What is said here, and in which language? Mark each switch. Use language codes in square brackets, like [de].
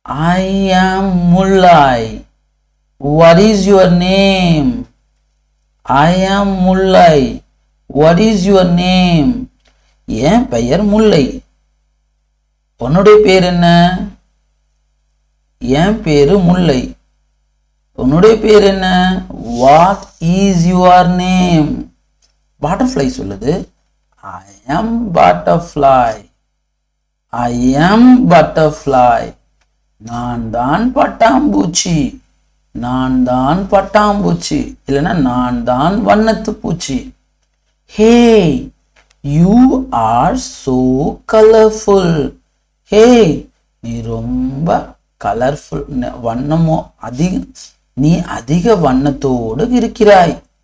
[en] I am Mullai, what is your name, I am Mullai, What is your name? [ta] ஏன் பெயர் முல்லை, உன்னுடைய பேர் என்ன, ஏன் பேரு முல்லை, உன்னுடைய பேர் என்ன. [en] What is your name? Butterfly சொல்லுது, I am butterfly. I am butterfly. [ta] நான் தான் பட்டாம்பூச்சி, நான் தான் பட்டாம்பூச்சி, இல்லைன்னா நான் தான் வண்ணத்து பூச்சி. [en] Hey, you are so colorful. [ta] Hey, நீ ரொம்ப கலர்ஃபுல், வண்ணமோ அதிக, நீ அதிக வண்ணத்தோடு இருக்கிறாய்.